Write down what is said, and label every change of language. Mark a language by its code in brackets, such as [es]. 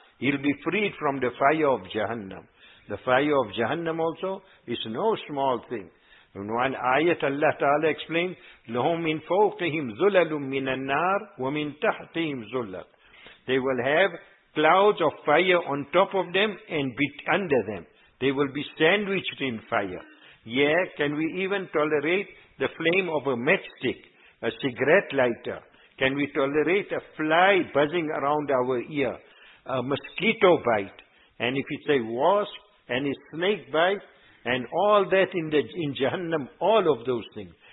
[en] He'll be freed from the fire of Jahannam. The fire of Jahannam also is no small thing. In one ayat, Allah Ta'ala explains, [ar] لَهُمْ مِنْ فَوْقِهِمْ ذُلَلٌ مِنَ النَّارِ وَمِنْ تَحْتِهِمْ ذُلَلٌ. [en] They will have clouds of fire on top of them and under them. They will be sandwiched in fire. Yeah, can we even tolerate the flame of a matchstick, a cigarette lighter? Can we tolerate a fly buzzing around our ear, a mosquito bite, and if it's a wasp and a snake bite, and all that in Jahannam, all of those things?